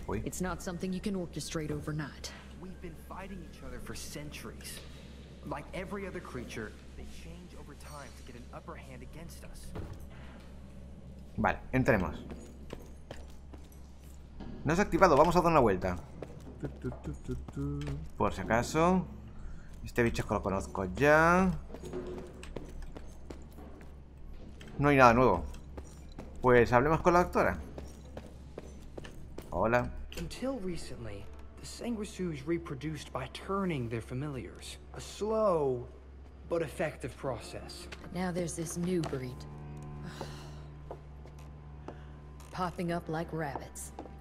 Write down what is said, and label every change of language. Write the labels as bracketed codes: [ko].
[en] It's not something you can orchestrate overnight. We've been fighting each other for centuries. Like every other creature, they change over time to get an upper hand against us. [es] Vale, entremos. No se ha activado, vamos a dar una vuelta. Por si acaso. Este bicho es que lo conozco ya. No hay nada nuevo. Pues hablemos con la doctora. Hola. [en] Until recently, the Sanguisus reproduced by turning their familiars. A slow but effective process. Now there's this new breed. Popping up like rabbits.